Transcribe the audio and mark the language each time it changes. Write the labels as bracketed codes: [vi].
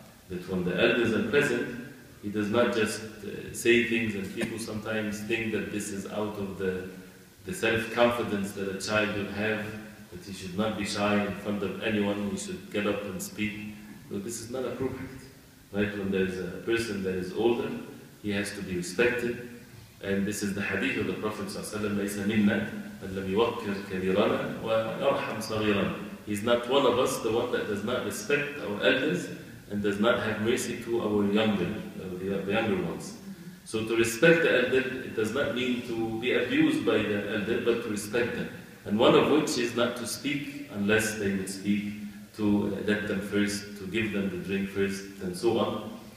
[en] That when the elders are present, he does not just say things, and people sometimes think that this is out of the self-confidence that a child would have, that he should not be shy in front of anyone, he should get up and speak. But this is not appropriate. Right? When there is a person that is older, he has to be respected. And this is the hadith of the Prophet [ar] ﷺ, لَيْسَ مِنَّا مَنْ لَمْ يُوَكِّرْ كَبِيرَنَا وَأَرْحَمْ صَغِيرَنَا. [en] He's not one of us, the one that does not respect our elders and does not have mercy to our younger ones. So to respect the elder, it does not mean to be abused by the elder, but to respect them. And one of which is not to speak unless they would speak, to let them first, to give them the drink first, and so on.